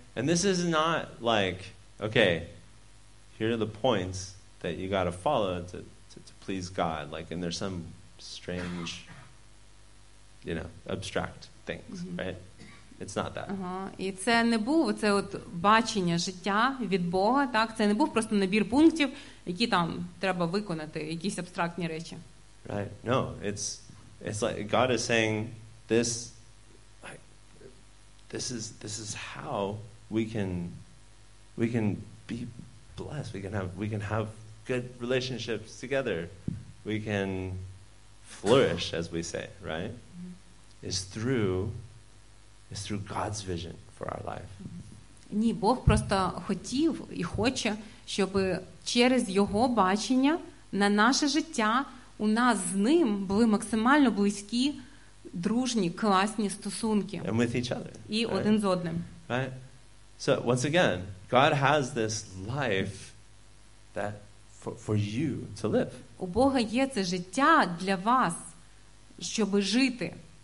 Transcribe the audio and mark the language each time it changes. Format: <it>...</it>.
<en>And this is not like, okay, here are the points that you got to follow to please God, like, and there's some strange, you know, abstract things, right? It's not that.</en> <uk>І це не був це от бачення життя від Бога, так? Це не був просто набір пунктів, які там треба виконати, якісь абстрактні речі.</uk> <en>Right. No, it's like God is saying this. This is how we can be blessed. We can have good relationships together. We can flourish, as we say, right? It's through God's vision for our life.</en> <uk>Ні, Бог просто хотів і хоче, щоб через його бачення на наше життя у нас з ним були максимально близькі дружні, класні стосунки.</uk> <en>And with each other.</en> <uk>І</uk> <en>right?</en> <uk>Один з одним.</uk> <en>Right? So, once again, God has this life that for you to live.</en> <uk>У Бога є це життя для вас, щоб жити.</uk>